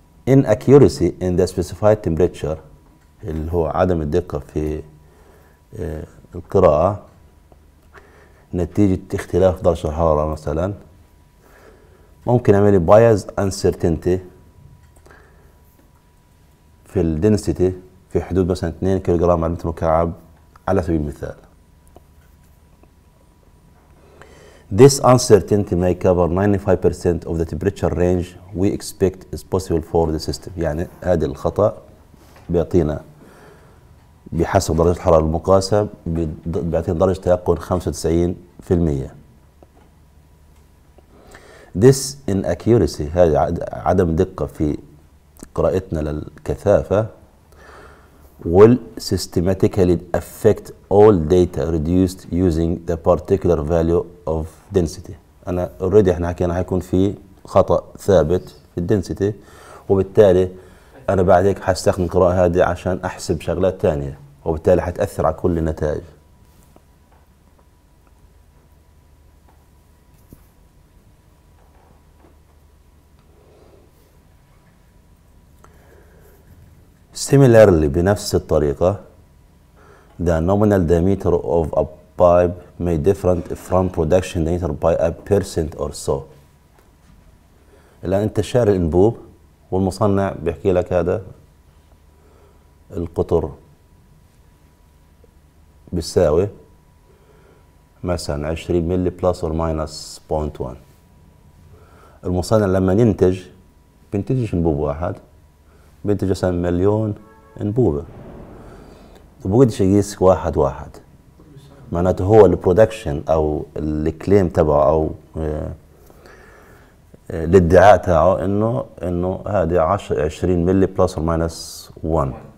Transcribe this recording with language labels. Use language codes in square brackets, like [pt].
[en] Inaccuracy in the specified temperature [ar] اللي هو عدم الدقة في القراءة نتيجة اختلاف درجة الحرارة مثلا ممكن اعمل bias uncertainty في الدنسيتي في حدود مثلا 2 كيلوغرام على المتر المكعب على سبيل المثال. [en] This uncertainty may cover 95% of the temperature range we expect is possible for the system. [ar] يعني هذا الخطأ بيعطينا بحسب درجة الحرارة المقاسة بيعطينا درجة تيقن 95%. [en] This inaccuracy, [ar] هذه عدم دقة في قراءتنا للكثافة, [en] will systematically affect all data reduced using the particular value of density. [ar] أنا [en] already [ar] إحنا حكينا هيكون في خطأ ثابت في density, وبالتالي أنا بعدك هستخدم القراءة هذه عشان أحسب شغلات تانية, وبالتالي هتأثر على كل النتائج. [en] Similarly, [ar] بنفس الطريقة, [en] the nominal diameter of a pipe may differ from production diameter by a percent or so. [ar] الآن أنت شاري الأنبوب والمصنع بيحكي لك هذا القطر بيساوي مثلا 20 ملي بلس أو ماينس 0.1. المصنع لما ينتج بينتجش أنبوب واحد, بينتج مثلا مليون انبوبة, بقدش يقيس واحد واحد, معناته هو البرودكشن او الكليم تبعه او الادعاء تاعه انه هذه 20 ملي بلس او ماينس 1.